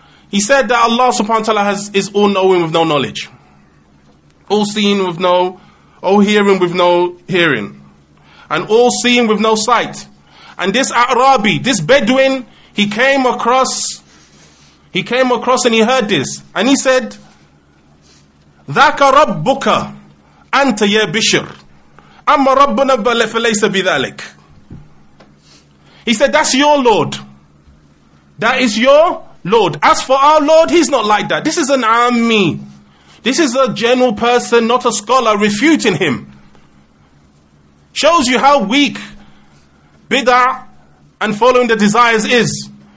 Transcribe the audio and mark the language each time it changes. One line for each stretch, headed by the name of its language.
English: He said that Allah subhanahu wa ta'ala is all-knowing with no knowledge. All seeing with no, all hearing with no hearing. And all seeing with no sight. And this Arabi, this Bedouin, he came across and he heard this. And he said,
Arabic: ذَاكَ رَبُّكَ أَنْتَ يَا بِشِرْ أَمَّ رَبُّنَا فَلَيْسَ بِذَلِكَ.
English: He said, that's your Lord. That is your Lord. As for our Lord, he's not like that. This is an army. This is a general person, not a scholar, refuting him. Shows you how weak bid'ah and following the desires is.